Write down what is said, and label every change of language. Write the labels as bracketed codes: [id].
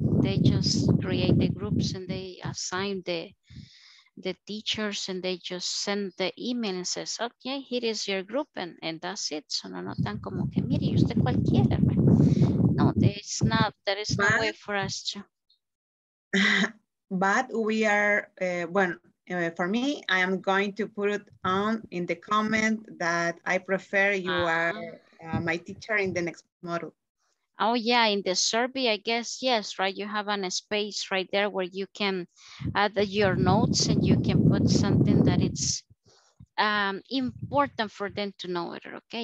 [en] They just create the groups and they assign the teachers and they just send the email and says, okay, here is your group and that's it. [es] So no tan como que mire, usted cualquiera, [en] right? No, there is no way for us to. But we are, well, for me, I am going to put it on in the comment that I prefer you are my teacher in the next module. Oh yeah, in the survey, I guess, yes, right? You have a space right there where you can add your notes and you can put something that it's important for them to know it, okay?